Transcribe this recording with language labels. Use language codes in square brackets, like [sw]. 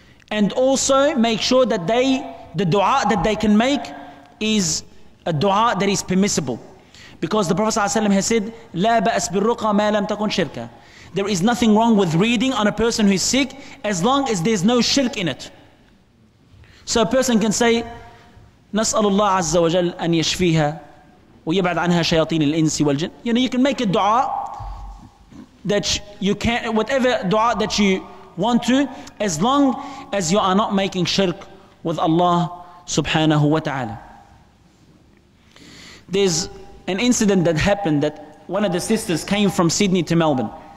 [en] And also make sure that they, the dua that they can make is a dua that is permissible. Because the Prophet ﷺ has said, [ar] لا بأس بالرقى ما لم تكن شركا. [en] There is nothing wrong with reading on a person who is sick as long as there's no shirk in it. So a person can say, [ar] نسأل الله عز وجل أن يشفيها ويبعد عنها شياطين الإنس والجن. [en] You know, you can make a dua that you can, whatever dua that you want to, as long as you are not making shirk with Allah subhanahu wa ta'ala. There's an incident that happened that one of the sisters came from Sydney to Melbourne.